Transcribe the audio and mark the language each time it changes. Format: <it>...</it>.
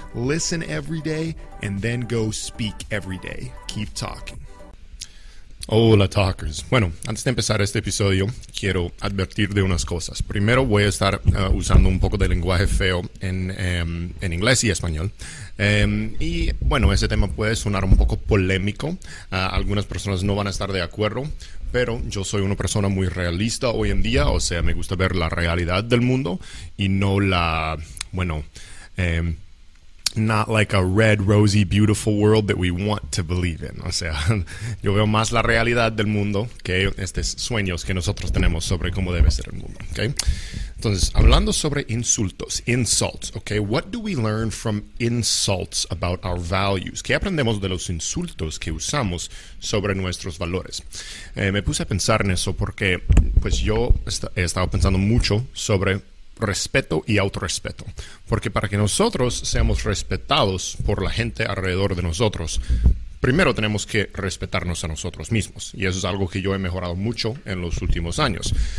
<en>Listen every day and then go speak every day. Keep talking. Hola, talkers.</en> <es>Bueno, antes de empezar este episodio, quiero advertir de unas cosas. Primero, voy a estar usando un poco de lenguaje feo en inglés y español. Y bueno, ese tema puede sonar un poco polémico. Algunas personas no van a estar de acuerdo, pero yo soy una persona muy realista hoy en día. O sea, me gusta ver la realidad del mundo y no la, bueno,</es> <en>not like a red, rosy, beautiful world that we want to believe in.</en> <es>O sea, yo veo más la realidad del mundo que estos sueños que nosotros tenemos sobre cómo debe ser el mundo, ¿ok? Entonces, hablando sobre insultos, insults, ¿ok?</es> <en>What do we learn from insults about our values?</en> <es>¿Qué aprendemos de los insultos que usamos sobre nuestros valores? Me puse a pensar en eso porque, pues, yo he estado pensando mucho sobre respeto y autorrespeto, porque para que nosotros seamos respetados por la gente alrededor de nosotros, primero tenemos que respetarnos a nosotros mismos, y eso es algo que yo he mejorado mucho en los últimos años.</es>